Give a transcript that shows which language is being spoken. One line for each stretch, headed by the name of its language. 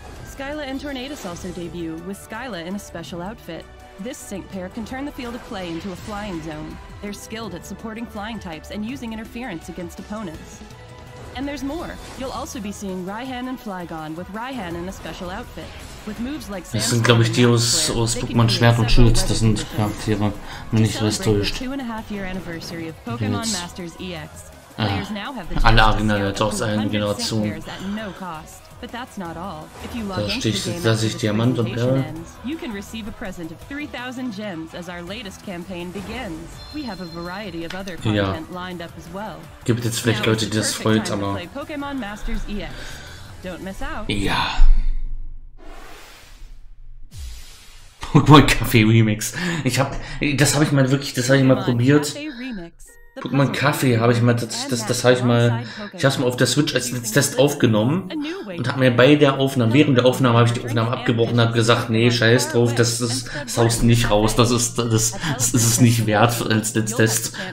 English: Skyla and Tornadus also debut, with Skyla in a special outfit. This sync pair can turn the field of play into a flying zone. They're skilled at supporting flying types and using interference against opponents. And there's more. You'll also be seeing Raihan and Flygon with Raihan in a special outfit. With moves like
German: Sand. Das sind, glaube ich, die aus Pokémon Schwert und Schild. Das sind Charaktere, wenn ich das täuscht.
English: 2.5 year anniversary of Pokémon Masters EX. Players now have the chance to see all the legendary Generationen at no cost. But that's not all. If you log into the game, you can receive a present of 3,000 gems as our latest campaign begins. We have a variety of other content lined up as well.
German: Gibt jetzt vielleicht Leute, die das freut, aber
English: Pokémon Masters EX. Don't miss out.
German: Ja. Pokémon Café Remix. Das habe ich mal probiert. Pokémon Kaffee habe ich mal, ich habe es mal auf der Switch als Test aufgenommen und habe mir bei der Aufnahme, während der Aufnahme, habe ich die Aufnahme abgebrochen und habe gesagt, nee, scheiß drauf, das haust nicht raus, das ist es nicht wert als Test.